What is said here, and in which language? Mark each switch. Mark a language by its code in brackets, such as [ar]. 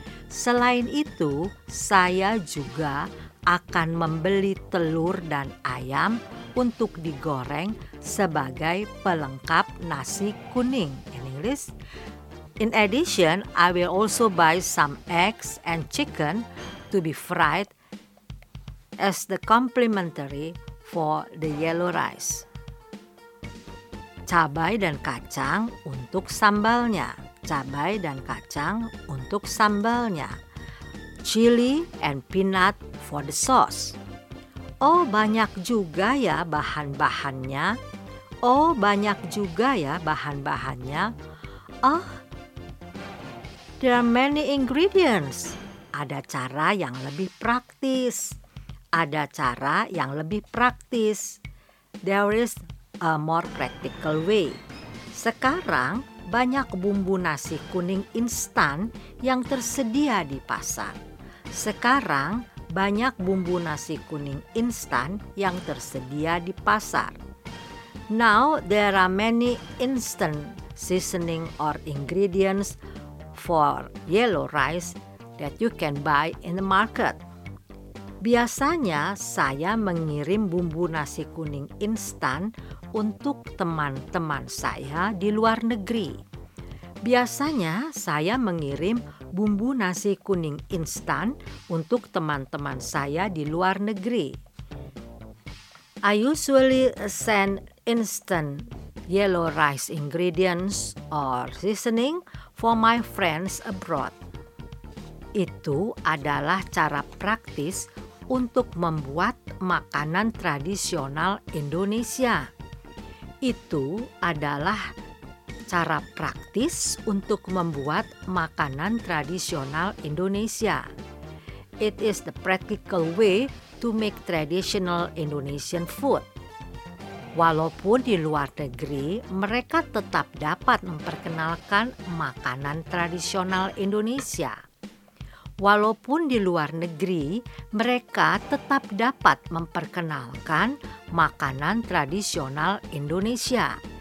[id] Selain itu, saya juga akan membeli telur dan ayam untuk digoreng sebagai pelengkap nasi kuning. [en] In English, in addition, I will also buy some eggs and chicken to be fried as the complimentary for the yellow rice. [id] Cabai dan kacang untuk sambalnya. Cabai dan kacang untuk sambalnya. [en] Chili and peanut for the sauce. [id] Oh, banyak juga ya bahan-bahannya. Oh, banyak juga ya bahan-bahannya. [en] Oh, there are many ingredients. [id] Ada cara yang lebih praktis. Ada cara yang lebih praktis. [en] There is a more practical way. [id] Sekarang banyak bumbu nasi kuning instan yang tersedia di pasar. Sekarang banyak bumbu nasi kuning instan yang tersedia di pasar. [en] Now, there are many instant seasoning or ingredients for yellow rice that you can buy in the market. [id] Biasanya, saya mengirim bumbu nasi kuning instan untuk teman-teman saya di luar negeri. Biasanya, saya mengirim bumbu nasi kuning instan untuk teman-teman saya di luar negeri. [en] I usually send instant yellow rice ingredients or seasoning for my friends abroad. [id] Itu adalah cara praktis untuk membuat makanan tradisional Indonesia. Itu adalah cara praktis untuk membuat makanan tradisional Indonesia. [en] It is the practical way to make traditional Indonesian food. [id] Walaupun di luar negeri, mereka tetap dapat memperkenalkan makanan tradisional Indonesia. Walaupun di luar negeri, mereka tetap dapat memperkenalkan makanan tradisional Indonesia.